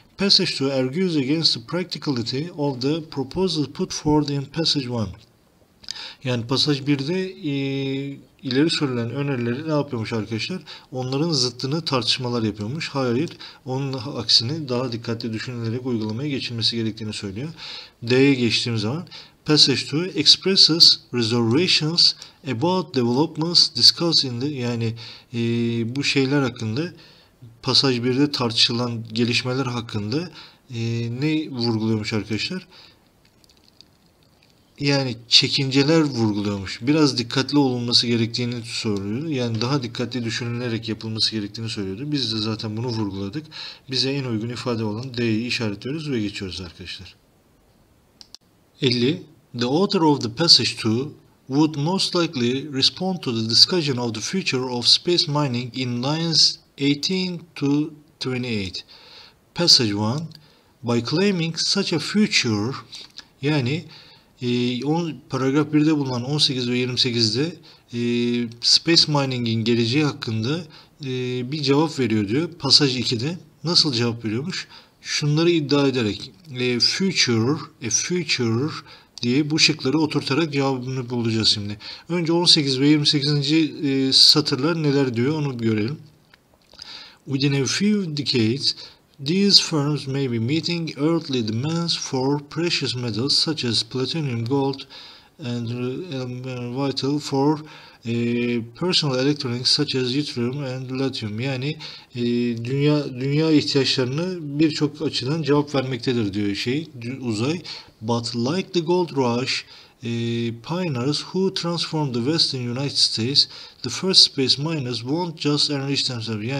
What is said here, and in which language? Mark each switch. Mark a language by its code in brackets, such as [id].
[en] Passage 2 argues against the practicality of the proposals put forth in passage 1. [tr] Yani pasaj 1'de ileri sürülen önerileri ne yapıyormuş arkadaşlar? Onların zıttını tartışmalar yapıyormuş. Hayır, onun aksini daha dikkatli düşünülerek uygulamaya geçilmesi gerektiğini söylüyor. D'ye geçtiğim zaman [en] passage 2 expresses reservations about developments discussed in the, [tr] yani bu şeyler hakkında, pasaj 1'de tartışılan gelişmeler hakkında ne vurguluyormuş arkadaşlar? Yani çekinceler vurguluyormuş. Biraz dikkatli olunması gerektiğini söylüyor. Yani daha dikkatli düşünülerek yapılması gerektiğini söylüyordu. Biz de zaten bunu vurguladık. Bize en uygun ifade olan D'yi işaretliyoruz ve geçiyoruz arkadaşlar. 50. [en] The author of the passage 2 would most likely respond to the discussion of the future of space mining in lines 18 to 28. Passage 1 by claiming such a future, [tr] yani paragraf 1'de bulunan 18 ve 28'de space mining'in geleceği hakkında bir cevap veriyor diyor. Pasaj 2'de nasıl cevap veriyormuş? Şunları iddia ederek future diye bu şıkları oturtarak cevabını bulacağız şimdi. Önce 18 ve 28. Satırlar neler diyor onu görelim. [en] Within a few decades These firms may be meeting earthly demands for precious metals such as platinum, gold, and vital for personal electronics such as yttrium and lithium. [tr] Yani dünya ihtiyaçlarını birçok açıdan cevap vermektedir diyor uzay. [en] But like the gold rush, pioneers who transformed the Western United States, the first space miners won't just enrich themselves.